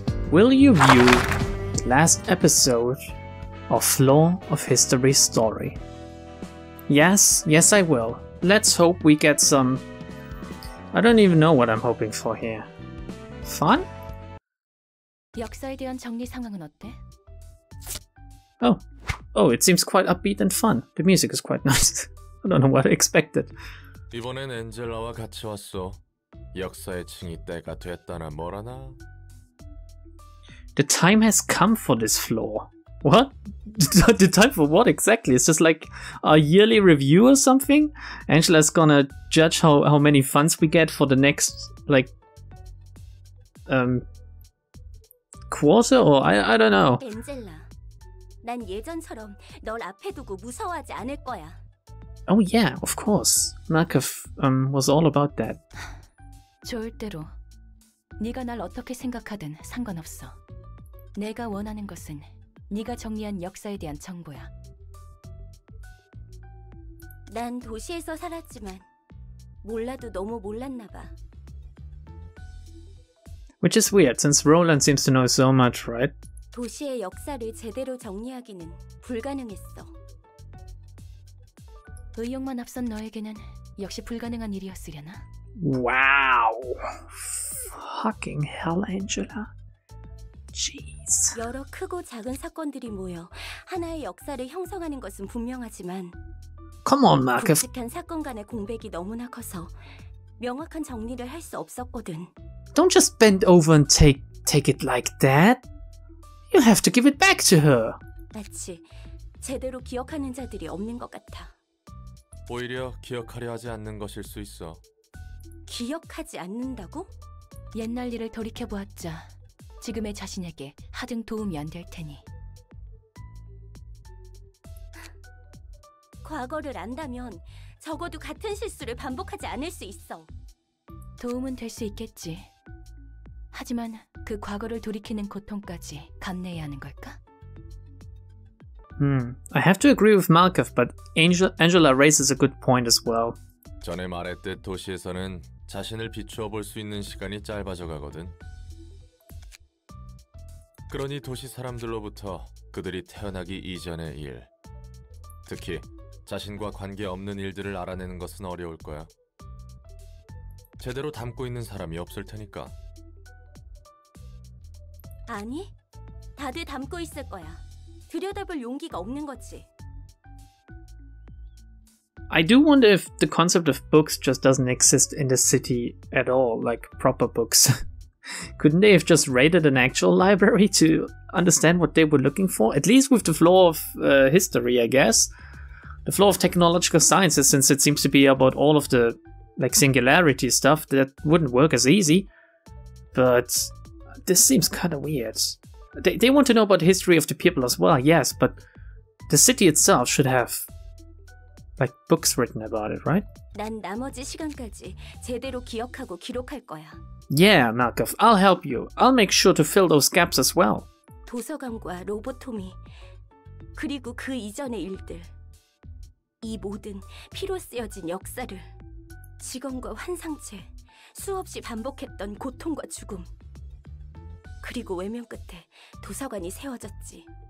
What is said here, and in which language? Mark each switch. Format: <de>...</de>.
<en>Will you view last episode of Floor of History story? Yes, yes I will. Let's hope we get some... I don't even know what I'm hoping for here. Fun?</en> <ko>역사에 대한 정리 상황은 어때?</ko> <en>Oh, it seems quite upbeat and fun. The music is quite nice. I don't know what I expected.</en> <ko>이번엔 엔젤라와 같이 왔어. 역사의 칭이 때가 됐다나 뭐라나?</ko> <en>The time has come for this floor. What? The time for what exactly? It's just like a yearly review or something? Angela's gonna judge how many funds we get for the next, like, quarter? Or I don't know.</en> <ko>Angela, 난 예전처럼 널 앞에 두고 무서워하지 않을 거야.</ko> <en>Oh yeah, of course. Malkuth was all about that.</en> <ko>절대로. 네가 날 어떻게 생각하든 상관없어. 내가 원하는 것은 네가 정리한 역사에 대한 정보야. 난 도시에서 살았지만 몰라도 너무 몰랐나 봐.</ko> <en>Which is weird, since Roland seems to know so much, right?</en> <ko>도시의 역사를 제대로 정리하기는 불가능했어. 의욕만 앞선 너에게는 역시 불가능한 일이었으려나?</ko> <en>Wow! Fucking hell, Angela. Jeez.</en> <ko>여러 크고 작은 사건들이 모여 하나의 역사를 형성하는 것은 분명하지만</ko> <en>Come on, Mark.</en> <ko>복잡한 사건 간의 공백이 너무나 커서 명확한 정리를 할 수 없었거든.</ko> <en>Don't just bend over and take it like that. You have to give it back to her.</en> <ko>맞지. 제대로 기억하는 자들이 없는 것 같아. 오히려 기억하려 하지 않는 것일 수 있어. 기억하지 않는다고? 옛날 일을 돌이켜보았자 지금의 자신에게 하등 도움이 안 될 테니. 과거를 안다면 적어도 같은 실수를 반복하지 않을 수 있어. 도움은 될 수 있겠지. 하지만 그 과거를 돌이키는 고통까지 감내해야 하는 걸까?</ko> <en>I have to agree with Malkuth, but Angela raises a good point as well.</en> <ko>전에 말했듯 도시에서는 자신을 비추어 볼 수 있는 시간이 짧아져 가거든. 그러니 도시 사람들로부터 그들이 태어나기 이전의 일, 특히 자신과 관계 없는 일들을 알아내는 것은 어려울 거야. 제대로 담고 있는 사람이 없을 테니까. 아니, 다들 담고 있을 거야. 들여다볼 용기가 없는 거지.</ko> <en>I do wonder if the concept of books just doesn't exist in the city at all, like proper books. Couldn't they have just raided an actual library to understand what they were looking for? At least with the flaw of history, I guess. The flaw of technological sciences, since it seems to be about all of the like singularity stuff, that wouldn't work as easy. But this seems kind of weird. They want to know about the history of the people as well, yes, but the city itself should have like books written about it, right?</en> <ko>난 나머지 시간까지 제대로 기억하고 기록할 거야.</ko> <en>Yeah, Malkuth, I'll help you. I'll make sure to fill those gaps as well.</en> <ko>도서관과 로보토미, 그리고 그 이전의 일들. 이 모든 피로 쓰여진 역사를, 직원과 환상체, 수없이 반복했던 고통과 죽음. 그리고 외면 끝에 도서관이 세워졌지.</ko>